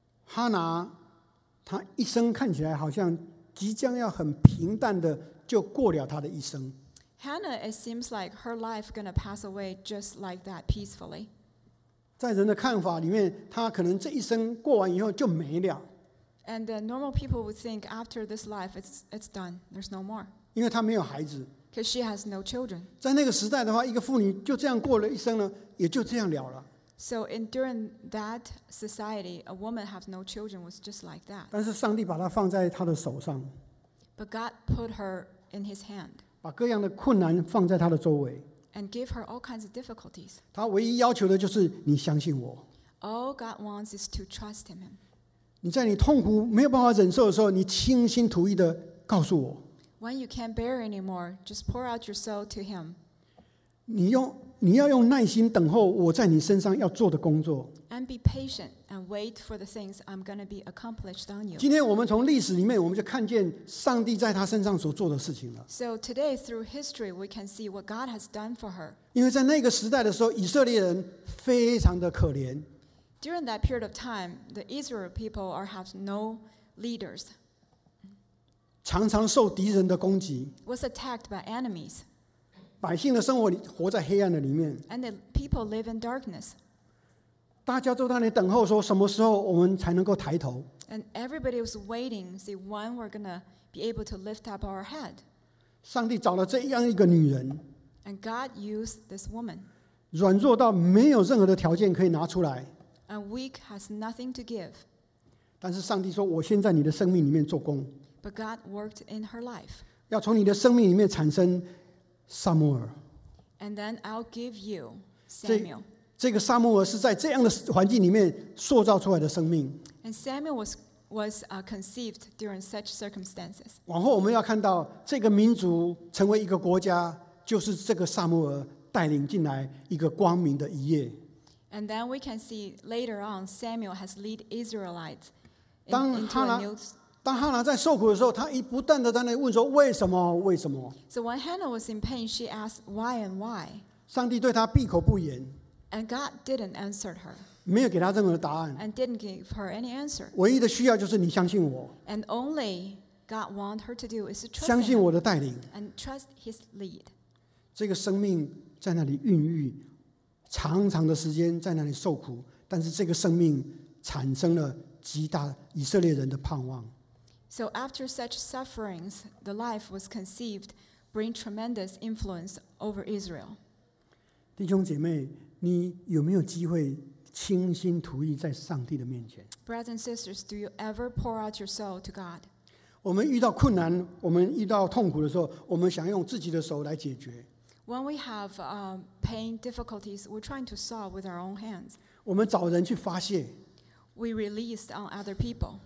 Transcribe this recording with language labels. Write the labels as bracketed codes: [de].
[zh] Hannah, 她一生看起来好像即将要很平淡的就过了她的一生。 [en] Hannah, it seems like her life gonna pass away just like that, peacefully. [zh] 在人的看法里面，她可能这一生过完以后就没了。 [en] And the normal people would think after this life, it's done. There's no more. [zh] 因为她没有孩子。 [en] Because she has no children. [zh] 在那个时代的话，一个妇女就这样过了一生呢，也就这样了了。 [en] So in during that society, a woman has no children was just like that. [zh] 但是上帝把她放在她的手上。 [en] But God put her in His hand. [zh] 把各样的困难放在她的周围。 [en] And gave her all kinds of difficulties. [zh] 她唯一要求的就是你相信我。 [en] All God wants is to trust Him. [zh] 你在你痛苦没有办法忍受的时候，你倾心吐意的告诉我。 [en] When you can't bear anymore, just pour out your soul to Him. [zh] 你要用耐心等候我在你身上要做的工作。 [en] And be patient and wait for the things I'm going to be accomplished on you. [zh] 今天我们从历史里面我们就看见上帝在他身上所做的事情了。 [en] So today through history we can see what God has done for her. [zh] 因为在那个时代的时候，以色列人非常的可怜。 [en] During that period of time, the Israel people have no leaders. [zh] 常常受敌人的攻击 [en] was attacked by enemies. [zh] 百姓的生活活在黑暗的里面 [en] and the people live in darkness. [zh] 大家都在那里等候说什么时候我们才能够抬头 [en] and everybody was waiting to see when we're going to be able to lift up our head. [zh] 上帝找了这样一个女人 [en] and God used this woman. [zh] 软弱到没有任何的条件可以拿出来 [en] and weak has nothing to give. [zh] 但是上帝说我先在你的生命里面做工 [en] But God worked in her life. [zh] 要从你的生命里面产生撒母耳。 [en] And then I'll give you Samuel. [zh] 这个撒母耳是在这样的环境里面塑造出来的生命。 [en] And Samuel was conceived during such circumstances. [zh] 往后我们要看到这个民族成为一个国家，就是这个撒母耳带领进来一个光明的一夜。 [en] And then we can see later on Samuel has led Israelites into a new. [zh] 当哈拿在受苦的时候，她一不断的在那问说：“为什么？为什么？” [en] So when Hannah was in pain, she asked why and why. [zh] 上帝对她闭口不言。 [en] And God didn't answer her. [zh] 没有给她任何答案。 [en] And didn't give her any answer. [zh] 唯一的需要就是你相信我。 [en] And only God wants her to do is to trust him. [zh] 相信我的带领。 [en] And trust his lead. [zh] 这个生命在那里孕育，长长的时间在那里受苦，但是这个生命产生了极大以色列人的盼望。 [en] So after such sufferings, the life was conceived, bring tremendous influence over Israel. [zh] 弟兄姐妹，你有没有机会倾心吐意在上帝的面前？ [en] Brothers and sisters, do you ever pour out your soul to God? [zh] 我们遇到困难，我们遇到痛苦的时候，我们想用自己的手来解决。 [en] When we have pain difficulties, we're trying to solve with our own hands. [zh] 我们找人去发泄。 [en] We released on other people.